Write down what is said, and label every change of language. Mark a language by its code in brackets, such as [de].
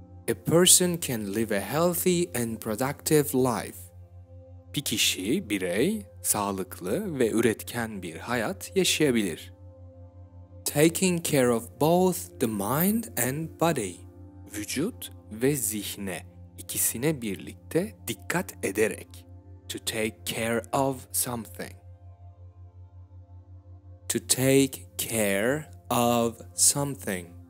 [en] a person can live a healthy and productive life. [tr] Bir kişi, birey, sağlıklı ve üretken bir hayat yaşayabilir. [en] Taking care of both the mind and body. [tr] Vücut ve zihne, ikisine birlikte dikkat ederek. [en] To take care of something. To take care of something.